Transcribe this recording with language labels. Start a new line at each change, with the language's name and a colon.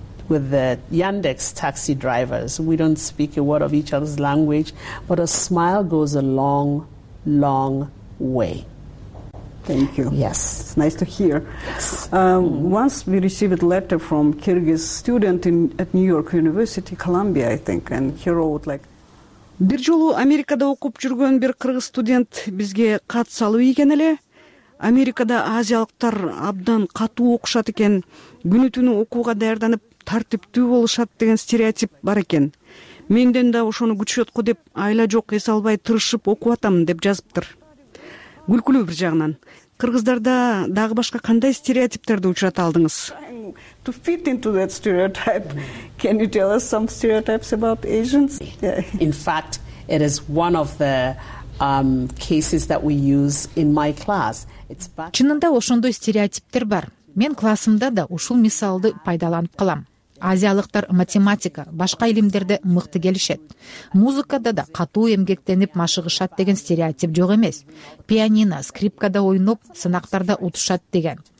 English: With the Yandex taxi drivers, we don't speak a word of each other's language, but a smile goes a long, long way. Thank you. Yes. It's nice to hear. Yes. Once we received a letter from Kyrgyz student at New York University, Columbia, I think, and he wrote like...
Kyrgyz: Бир жолу Америкада окуп жүргөн бир кыргыз студент бизге кат салып ийген эле. Америкада азиялыктар абдан катуу окушат экен, күнү-түнү окууга даярданып, тартиптүү болушат деген стереотип бар экен. Менден да ошону күчөткө деп айла жок эс албай тырышып окуп атам деп жазыптыр. Күлкүлүү бир жагынан. Кыргыздарда дагы башка кандай стереотиптерди учурата алдыңыз?
English: to fit into that stereotype. Can you tell us some stereotypes about Asians? In fact, it is one of the cases that we use in my class.
Kyrgyz: Чынында ошондой стереотиптер бар. Мен классымда да ушул мисалды пайдаланып калам. Азиялыктар математика, башка илимдерде мыкты келишет. Музыкада да катуу эмгектенип машыгышат деген стереотип жок эмес. Пианино, скрипкада ойноп, сынактарда утушат деген.